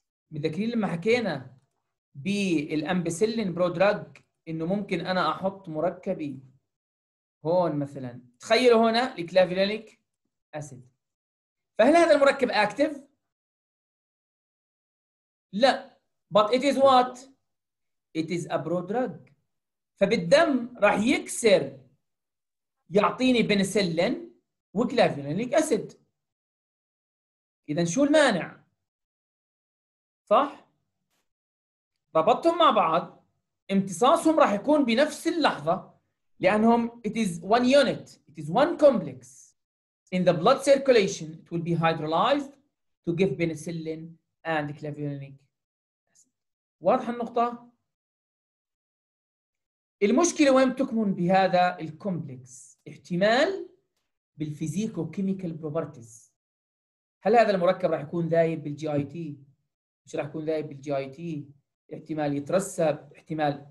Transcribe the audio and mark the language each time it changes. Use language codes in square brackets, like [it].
[ar] متذكرين لما حكينا بالامبسلين برودرج انه ممكن انا احط مركبي هون مثلا، تخيلوا هنا الكلافيلينيك اسيد، فهل هذا المركب اكتف؟ لا [en] but it is what it is a prodrug. [ar] فبالدم راح يكسر يعطيني بنسلين وكلافيلينيك أسيد، إذن شو المانع؟ صح؟ ربطتهم مع بعض، امتصاصهم راح يكون بنفس اللحظة لأنهم [en] it is one unit, it is one complex in the blood circulation, it will be hydrolyzed to give penicillin and clavulanic acid. [ar] واضح النقطة؟ المشكلة وين تكمن بهذا الكومبلكس؟ احتمال بالفيزيكو كيميكال بروبرتيز. هل هذا المركب راح يكون ذايب بالجي اي تي؟ مش راح يكون ذايب بالجي اي تي، احتمال يترسب، احتمال.